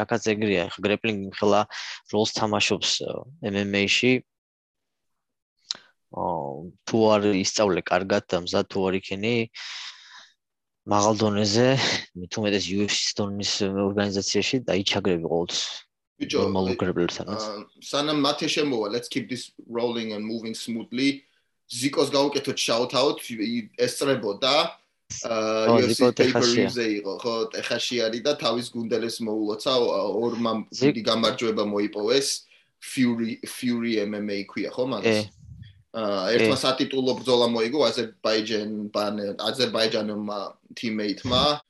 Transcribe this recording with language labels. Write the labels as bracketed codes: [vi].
[ka] აქაც ეგრეა, ხა გრეპლინგი ხლა როლს თამაშობს MMA-ში. თუ არ ისწავლე კარგად და მზად თუ არ იქენი მაღალ დონეზე, მით უმეტეს UFC-ს დონის ორგანიზაციაში დაიჩაგრები ყოველთვის. სანამ მათე შემოვა, [en] let's keep this rolling and moving smoothly. [ka] ზიკოს გაუკეთოთ shout out, ესწრებოდა. ხო, ტეხაში არის და თავის გუნდელებს მოულოცა, ორმა დიდი გამარჯვება მოიპოვეს. Fury MMA ქვია, ხო მაგას? ერთმა სატიტულო ბრძოლა მოიგო აზერბაიჯანმა teammate-მა.